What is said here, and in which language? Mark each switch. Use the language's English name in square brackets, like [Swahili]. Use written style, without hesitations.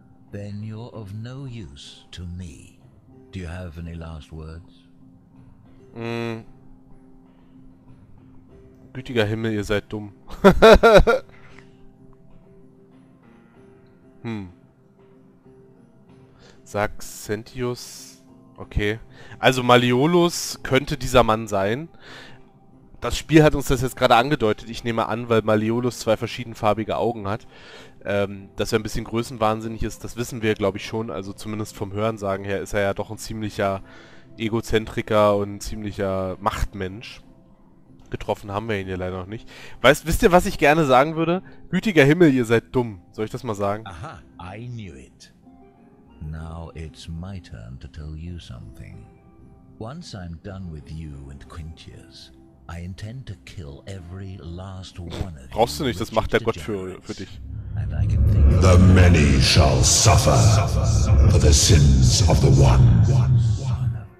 [English] Then you're of no use to me. Do you have any last words? [German] Gütiger Himmel, ihr seid dumm. Saxentius. Okay. Also Maliolus könnte dieser Mann sein. Das Spiel hat uns das jetzt gerade angedeutet. Ich nehme an, weil Maliolus zwei verschiedenfarbige Augen hat. Dass er ein bisschen größenwahnsinnig ist, das wissen wir, glaube ich, schon. Also zumindest vom Hörensagen her ist er ja doch ein ziemlicher Egozentriker und ein ziemlicher Machtmensch. Getroffen haben wir ihn ja leider noch nicht. Wisst ihr, was ich gerne sagen würde? Gütiger Himmel, ihr seid dumm. Soll ich das mal sagen? [English] Aha, I knew it. Now it's my turn to tell you something. Once I'm done with you and Quintius, I intend to kill every last one of you. [German] Brauchst du nicht, das macht der Gott für dich. [English] The many shall suffer for the sins of the one.